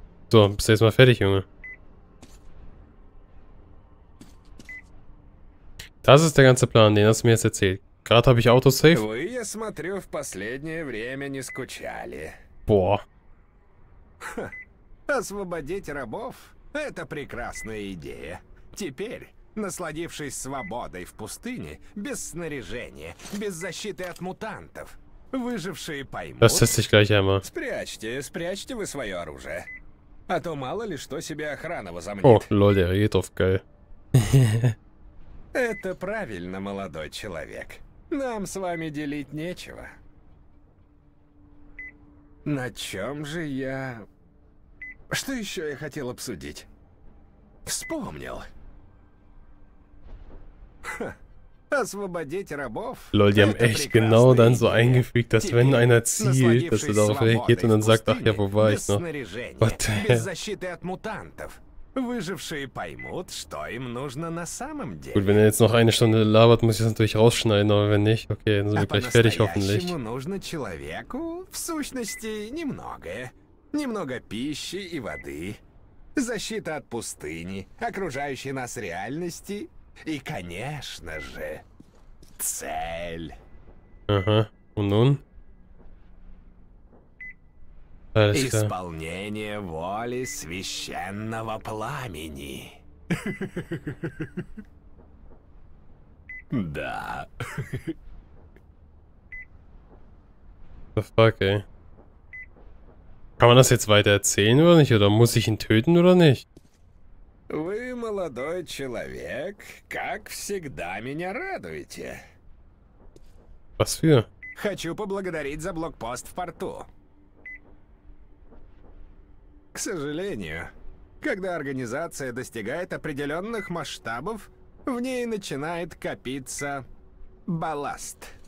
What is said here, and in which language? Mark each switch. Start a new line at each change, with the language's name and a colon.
German: So, bist du jetzt mal fertig, Junge. Das ist der ganze Plan, den hast du mir jetzt erzählt. Gerade habe ich Autosave.
Russian: Вы, я смотрю, в последнее время не скучали. Boah. Освободить рабов – это прекрасная идея. Теперь... Насладившись свободой в пустыне, без снаряжения, без защиты от мутантов, выжившие поймут... Спрячьте, спрячьте вы свое оружие. А то мало ли что себе охрана возомнит. О, лоли, ритовка. Это правильно, молодой человек. Нам с вами делить нечего. На чем же я... Что еще я хотел обсудить? Вспомнил. Освободить рабов.
German: Leute, die haben echt genau dann so eingefügt, dass wenn einer zielt, dass er darauf reagiert und dann sagt, ach ja, wo war ich noch?
Russian: Без защиты от мутантов. Выжившие поймут, что им нужно на самом деле.
German: Gut, wenn er jetzt noch eine Stunde labert, muss ich das natürlich rausschneiden, aber wenn nicht, okay, dann sind wir gleich fertig hoffentlich.
Russian: Ему нужно человеку в сущности немногое. Немного пищи и воды. Защита от пустыни, окружающей нас реальности. И, конечно же, цель.
German: Ага, und nun?
Russian: Исполнение воли священного пламени. Да.
English: The fuck, ey.
German: Kann man das jetzt weiter erzählen oder nicht? Oder muss ich ihn töten oder nicht?
Russian: Вы, молодой человек, как всегда меня радуете.
German: Was für?
Russian: Хочу поблагодарить за блокпост в порту. К сожалению, когда организация достигает определенных масштабов, в ней начинает копиться балласт.